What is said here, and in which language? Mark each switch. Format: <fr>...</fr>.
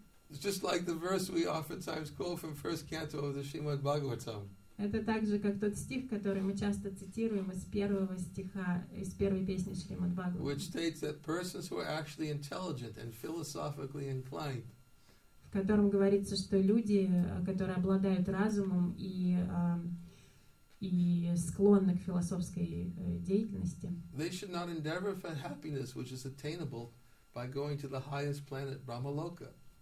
<en>It's just like the verse we oftentimes quote from first canto of the Srimad Bhagavatam.</en> <ru>Это также как тот стих, который мы часто цитируем из первого стиха, из первой песни Шримад Бхагаватам.</ru> <en>Which states that persons who are actually intelligent and philosophically inclined.</en> <ru>В котором говорится, что люди, которые обладают разумом и склонны к философской деятельности.</ru> <en>They should not endeavor for happiness which is attainable by going to the highest planet Brahmaloka.</en>